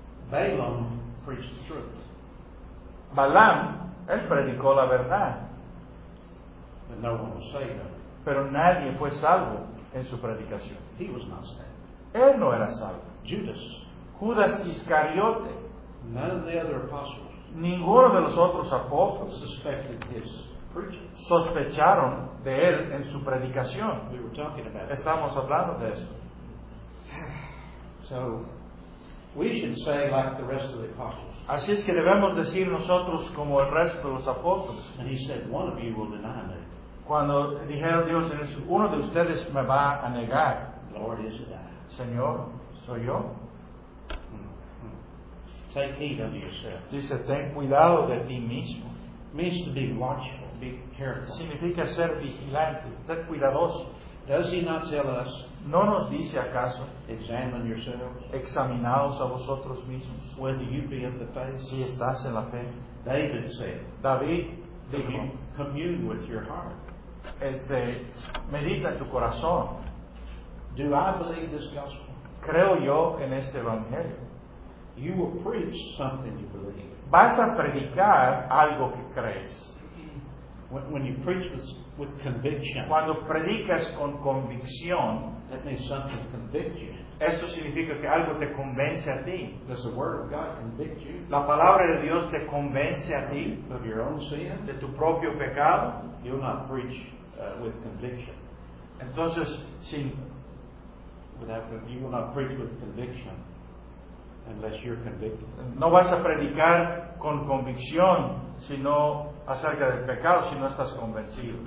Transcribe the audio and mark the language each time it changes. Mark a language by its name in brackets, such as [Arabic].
[English] Balaam preached the truth. [Spanish] Balaam, él predicó la verdad. [English] But no one was saved. [Spanish] Pero nadie fue salvo en su predicación. [English] He was not saved. [Spanish] Él no era salvo. [English] Judas. [Spanish] Judas Iscariote. [English] None of the other apostles. [Spanish] Ninguno de los otros apóstoles [English] suspected his preaching. [Spanish] Sospecharon de él en su predicación. [English] We were talking about [Spanish] Estamos that. Hablando de eso. [English] So, we should say like the rest of the apostles. [Spanish] Así es que debemos decir nosotros como el resto de los apóstoles. [English] And he said, one of you will deny me. [Spanish] Cuando dijeron Dios, uno de ustedes me va a negar. [English] Lord, is it I? [Spanish] Señor, soy yo. [English] Take heed of yourself. [Spanish] Dice, ten cuidado de ti mismo. [English] Means to be watchful, be careful. [Spanish] Significa ser vigilante, ser cuidadoso. [English] Does he not tell us? [Spanish] ¿No nos dice acaso? [English] Examine yourselves. [Spanish] Examinaos a vosotros mismos. [English] Whether you be of the faith. [Spanish] Si estás en la fe. [English] David said. [Spanish] David. [English] Did you commune with your heart? [Spanish] Este, medita tu corazón. [English] Do I believe this gospel? [Spanish] Creo yo en este evangelio. [English] You will preach something you believe. [Spanish] Vas a predicar algo que crees. [English] When you preach with conviction. [Spanish] Cuando predicas con convicción. [English] That means something to convict you. [Spanish] Esto significa que algo te convence a ti. [English] Does the word of God convict you? [Spanish] La palabra de Dios te convence a ti. [English] Of your own sin? [Spanish] De tu propio pecado. [English] You'll not preach with conviction. [Spanish] Entonces, si. [English] You will not preach with conviction unless you're convicted. [Spanish] No vas a predicar con convicción sino acerca del pecado si no estás convencido.